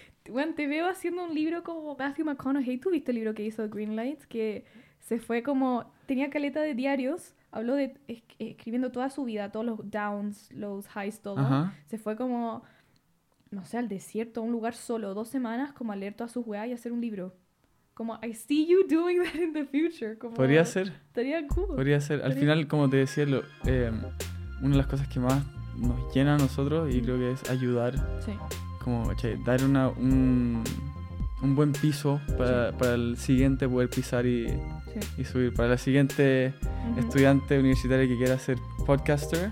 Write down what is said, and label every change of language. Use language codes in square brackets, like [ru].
[es] Bueno, te veo haciendo un libro como Matthew McConaughey. ¿Tú viste el libro que hizo Greenlight? Que se fue como... Tenía caleta de diarios. Habló de escribiendo toda su vida. Todos los downs, los highs, todo. Uh-huh. Se fue como... No sé, al desierto, a un lugar solo. 2 semanas como a leer todas sus weas y hacer un libro. [en] Como, I see you doing that in the future. [es] Como, podría ser. Estaría cool. Podría ser. Al final, como te decía, una de las cosas que más nos llena a nosotros y creo que es ayudar. Sí. Como, che, dar un buen piso para el siguiente poder pisar y subir. Para la siguiente estudiante universitaria que quiera ser podcaster.